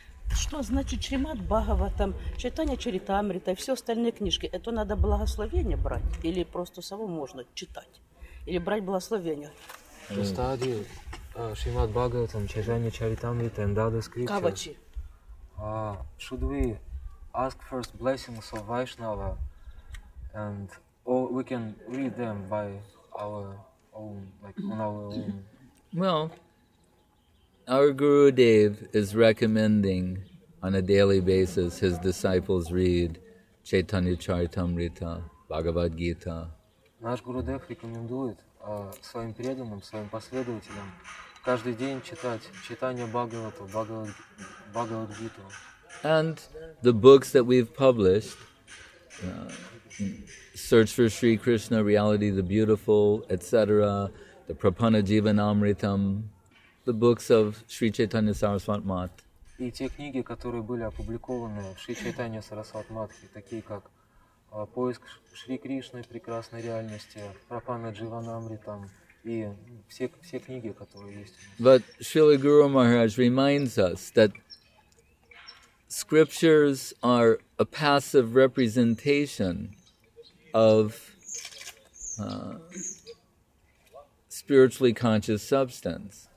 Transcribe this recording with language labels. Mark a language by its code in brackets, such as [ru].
[ru] Что значит Шримад Бхагаватам, читание Чаритамрита и все остальные книжки? Это надо благословение брать или просто само можно читать? Или брать благословение? В стадии Шримад Бхагаватам, читание Чаритамрита и Дада Скрипча. Кавачи. [en] Should we ask first blessings of Vaishnava and or we can read them by our own, like on our own? Well, our Gurudev is recommending on a daily basis his disciples read Chaitanya Charitamrita, Bhagavad Gita. [ru] Наш Гурудев рекомендует своим преданным, своим последователям каждый день читать Чайтанья Бхагавату, Бхагавад Гиту. [en] And the books that we've published, Search for Sri Krishna, Reality the Beautiful, etc., the Prapanna Jivanamritam, the books of Sri Chaitanya Saraswati Math. [ru] И те книги, которые были опубликованы в Шри Чайтанья Сарасвати Матхе, такие как «Поиск Шри Кришны, прекрасной реальности», «Прапанна Дживанамритам» и все книги, которые есть. [en] But Srila Guru Maharaj reminds us that scriptures are a passive representation of spiritually conscious substance.